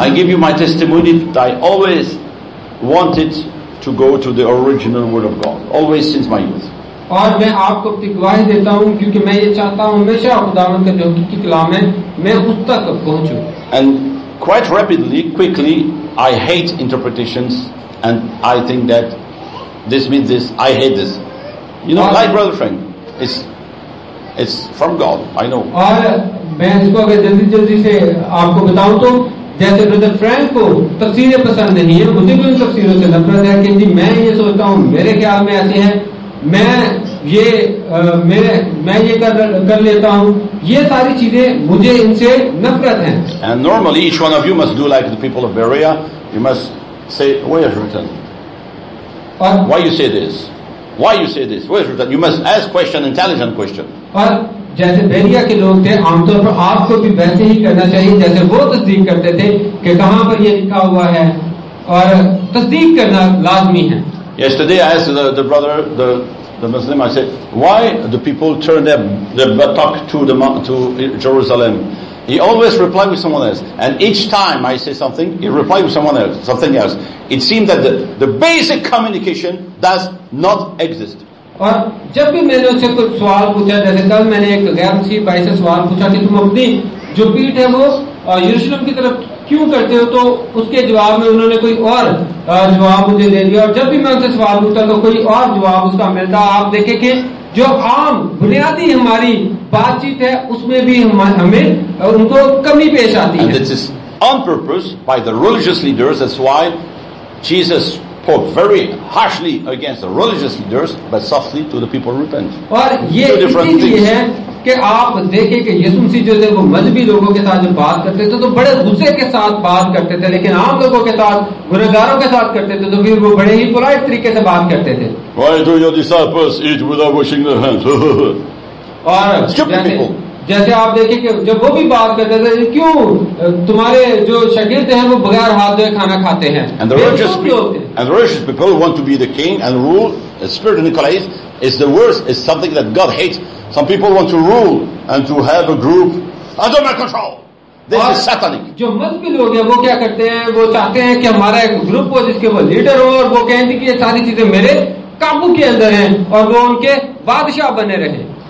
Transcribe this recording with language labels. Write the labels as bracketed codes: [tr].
[en] I give you my testimony that I always wanted to go to the original word of God, always since my youth. [hi] और मैं आपको अपनी गवाही देता हूं क्योंकि मैं ये चाहता हूं हमेशा खुदावंद का जो की कलाम है मैं उस तक पहुंचू. [en] And quite rapidly, quickly, I hate interpretations and I think that this means this, I hate this. You know, like brother Frank. It's from God, I know. [hi] और मैं इसको अगर जल्दी जल्दी से आपको बताऊं तो जैसे ब्रदर फ्रैंक को तफसीरें पसंद नहीं है, मुझे भी उन तफसीरों से नफरत है कि मैं ये सोचता हूँ मेरे ख्याल में ऐसे हैं, मैं ये कर लेता हूँ, ये सारी चीजें मुझे इनसे नफरत है. [en] And normally each one of you must do like the people of Berea, you must say, where is written? Why you say this? Why you say this? Where is written? You must ask question, intelligent question. [hi] और जैसे बेरिया के लोग थे आमतौर पर आपको भी वैसे ही करना चाहिए जैसे वो तस्दीक करते थे कि कहां पर ये लिखा हुआ है और तस्दीक करना लाजमी है. [en] Yesterday I asked the brother, the Muslim, I said, why the people turn their buttock to Jerusalem? He always replied with someone else. And each time I say something, he replied with someone else, something else. It seemed that the basic communication does not exist. [hi] और जब भी मैंने उससे कुछ सवाल पूछा, जैसे कल मैंने एक गैर मुसी भाई से सवाल पूछा कि तुम अपनी जो पीठ है वो यरूशलेम की तरफ क्यों करते हो, तो उसके जवाब में उन्होंने कोई और जवाब मुझे दे दिया. और जब भी मैं उनसे सवाल पूछता तो कोई और जवाब उसका मिलता. आप देखे कि जो आम बुनियादी हमारी बातचीत है उसमें भी हमें उनको कमी पेश आती है. [en] This is on purpose by the religious leaders. That's why Jesus spoke very harshly against the religious leaders, but softly to the people who repent. [hi] और ये इसीलिए है कि आप देखें कि यीशु मसीह जो थे वो मजहबी लोगों के साथ जब बात करते थे तो बड़े गुस्से के साथ बात करते थे, लेकिन आम लोगों के साथ गुनहगारों के साथ करते थे तो फिर वो बड़े ही पोलाइट तरीके से बात करते थे. [en] Why do your disciples eat without washing their hands? [hi] और जैसे आप देखें कि जब वो भी बात करते थे क्यों तुम्हारे जो शागिर्द हैं वो बगैर हाथ धोए खाना खाते हैं. [en] And the religious people want to be the king and rule. The spirit of Nicolaitans is the worst, is something that God hates. Some people want to rule and to have a group under my control. This is satanic. [hi] जो मजहबी लोग हैं वो क्या करते हैं, वो चाहते हैं कि हमारा एक ग्रुप हो जिसके वो लीडर हो और वो कहें कि ये सारी चीजें मेरे काबू के अंदर हैं और वो उनके बादशाह बने रहे.